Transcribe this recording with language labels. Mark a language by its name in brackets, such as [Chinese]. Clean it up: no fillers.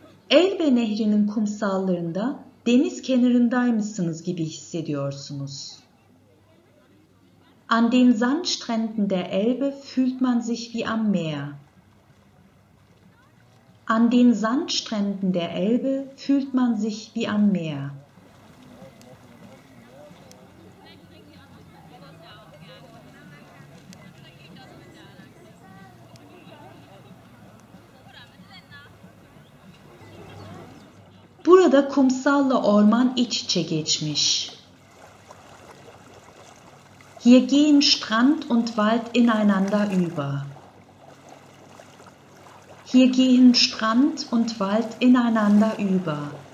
[Turkish] Elbe Nehri'nin kumsallarında deniz kenarındaymışsınız gibi hissediyorsunuz. [German] An den Sandstränden der Elbe fühlt man sich wie am Meer. An den Sandstränden der Elbe fühlt man sich wie am Meer. [Turkish] Burada kumsalla orman iç içe geçmiş. [German] Hier gehen Strand und Wald ineinander über. Hier gehen Strand und Wald ineinander über.